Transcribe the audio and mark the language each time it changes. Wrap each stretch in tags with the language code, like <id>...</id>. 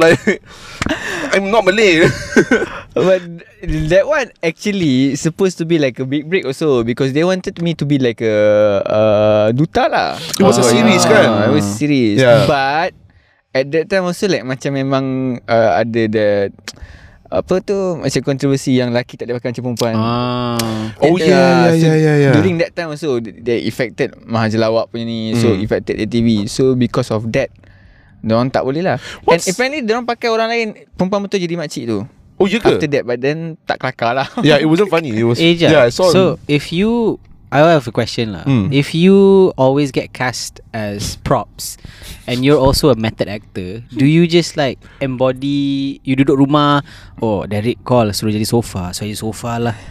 <en>Like, I'm not Malay. But that one actually supposed to be like a big break also because they wanted me to be like a duta lah. It was a series, kan? It was a series. Yeah. But at that time also like</en> <ms>macam memang ada</ms> <en>that</en> <ms>apa tu macam kontroversi yang lelaki tak boleh pakai macam perempuan. Ah. Oh ya ya ya ya.</ms> <en>During that time also they affected Mahajelawak</en> <ms>punya ni.</ms> <en>So affected ATV. So because of that</en> <ms>diorang tak boleh lah.</ms> <en>And apparently</en> <ms>diorang pakai orang lain, perempuan betul jadi makcik tu. Oh ya ke?</ms> <en>After that, but then</en> <ms>tak kelakar lah.</ms> <en>Yeah, it wasn't funny. It was Asia. Yeah, I saw. So if you, I have a question lah. If you always get cast as props and you're also a method actor, do you just like embody, you</en> <ms>duduk rumah,</ms> <en>oh Derek call</en> <ms>suruh jadi sofa,</ms> <en>so</en> <ms>jadi sofa lah.</ms>